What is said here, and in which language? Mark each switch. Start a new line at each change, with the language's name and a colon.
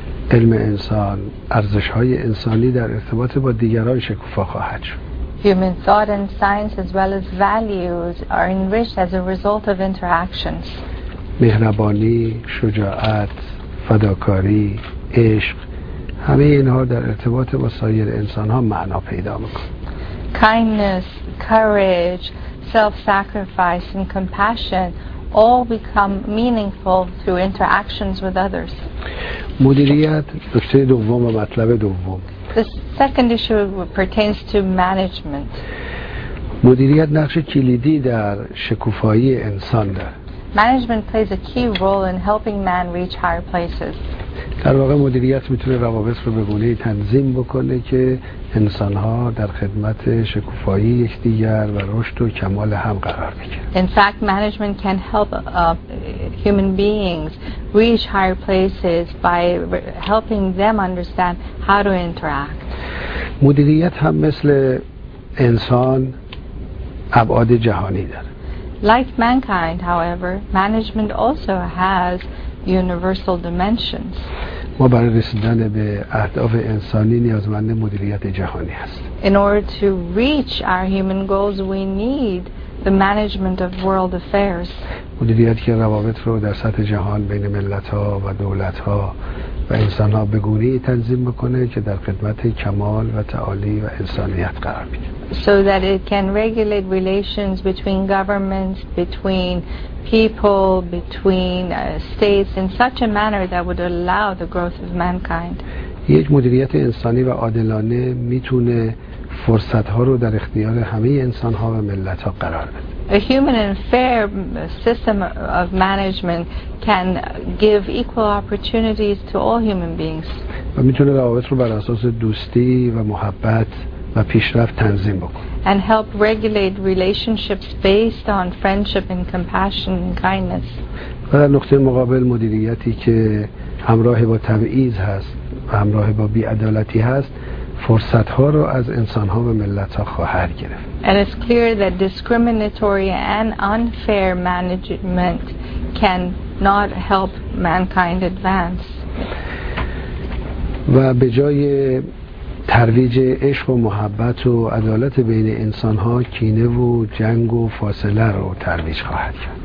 Persian: علم انسان، ارزش های انسانی در ارتباط با دیگران شکوفا خواهد شد.
English: Human thought and science as well as values are enriched as a result of interactions.
Persian: مهربانی، شجاعت، فداکاری، عشق، همه اینها در ارتباط با سایر انسان ها معنا پیدا میکنه.
English: Kindness, courage, self-sacrifice and compassion all become meaningful through interactions with others.
Persian: مدیریت نکته دوم و مطلب دوم.
English: The second issue pertains to management.
Persian: مدیریت نقش کلیدی در شکوفایی انسان دارد.
English: Management plays a key role in helping man reach higher places.
Persian: در واقع مدیریت میتونه روابط رو به گونه‌ای تنظیم بکنه که انسان‌ها در خدمت شکوفایی یکدیگر و رشد و کمال هم قرار بگیرن.
English: In fact, management can help human beings reach higher places by helping them understand how to interact.
Persian: مدیریت هم مثل انسان ابعاد جهانی داره.
English: Like mankind, however, management also has universal dimensions.
Persian: ما برای رسیدن به اهداف انسانی نیازمند مدیریت جهانی هست.
English: In order to reach our human goals, we need the management of world affairs.
Persian: مدیریت که روابط رو در سطح جهان بین ملت‌ها و دولت‌ها و انسان‌ها به گونه‌ای تنظیم بکنه که در خدمت کمال و تعالی و انسانیت قرار بگیره.
English: So that it can regulate relations between governments, between people, between states in such a manner that would allow the growth of mankind.
Persian: یک مدیریت انسانی و عادلانه میتونه فرصت‌ها رو در اختیار همه انسان‌ها و ملت‌ها قرار بده.
English: A human and fair system of management can give equal opportunities to all human beings.
Persian: و میتونه روابط رو بر اساس دوستی و محبت و پیشرفت تنظیم بکنه.
English: And help regulate relationships based on friendship and compassion and kindness.
Persian: و در نقطه مقابل مدیریتی که همراه با تبعیض هست و همراه با بی‌عدالتی هست فرصت‌ها رو از انسان‌ها و ملت‌ها خواهد گرفت.
English: And it's clear that discriminatory and unfair management can not help mankind advance.
Persian: و به جای ترویج عشق و محبت و عدالت بین انسان‌ها کینه و جنگ و فاصله رو ترویج خواهد کرد.